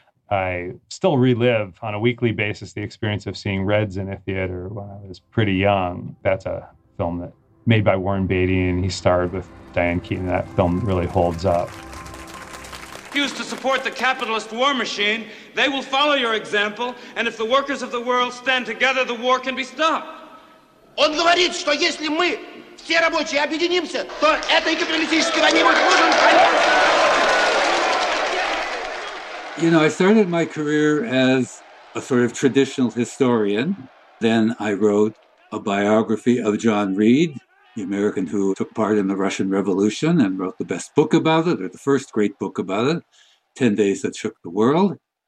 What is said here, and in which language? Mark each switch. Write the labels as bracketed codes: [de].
[en] I still relive on a weekly basis the experience of seeing Reds in a theater when I was pretty young. That's a film that made by Warren Beatty, and he starred with Diane Keaton. That film really holds up. Refuse to support the capitalist war machine, they will follow your example, and if the workers of the world stand together, the war can be stopped. [ru] Он говорит, что если мы все рабочие объединимся, то этой капиталистической войне мы сможем конец. [en] You know, I started my career as a sort of traditional historian. Then I wrote a biography of John Reed, the American who took part in the Russian Revolution and wrote the best book about it, or the first great book about it, 10 Days That Shook the World.